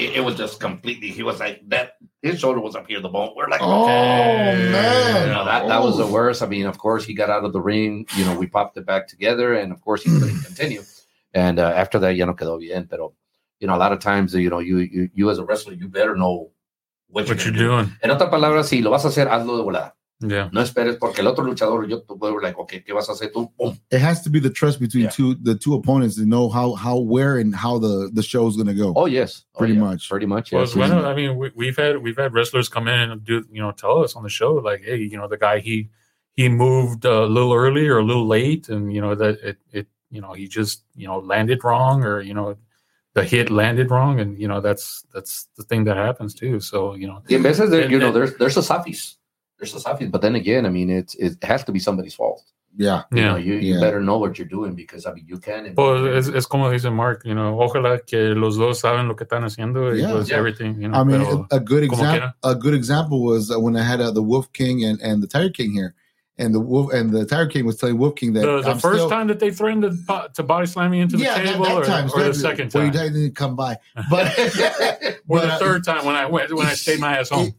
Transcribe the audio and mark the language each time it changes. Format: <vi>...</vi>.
<en>it was just completely, he was like that, his shoulder was up here, the bone, we're like, oh man. You know, that was the worst. I mean, of course he got out of the ring, you know, we popped it back together, and of course he couldn't continue. And after that,</en> <es>ya no quedó bien, pero,</es> <en>you know, a lot of times, you know, you as a wrestler, you better know what you're doing.</en> <es>En otras palabras, si lo vas a hacer, hazlo de volada.</es> <en>Yeah.</en> <es>No esperes porque el otro luchador yo puedo</es> <en>like okay</en> <es>qué vas a hacer tú.</es> <en>Boom. It has to be the trust between the two opponents to know how where and how the show is going to go. Oh yes, pretty much. Yes. Well, mm-hmm. I mean we've had wrestlers come in and do you know tell us on the show like hey you know the guy he moved a little early or a little late and you know that it you know he just you know landed wrong or you know. The hit landed wrong, and you know that's the thing that happens too. So you know, in business, there's a safis, but then again, I mean, it has to be somebody's fault. Yeah, yeah. You know, you better know what you're doing because I mean, you can. Well, it's</en> <es>como dice Mark,</es> <en>you know,</en> <es>ojalá que los dos saben lo que están haciendo y</es> <en>everything. You know, I mean, a good example was when I had the Wolf King and the Tiger King here. And the Wolf and the Tiger King was telling Wolf King that the first time that they threatened to body slam me into the table, the second time when you didn't come by, but or the third time when I stayed my ass home.</en>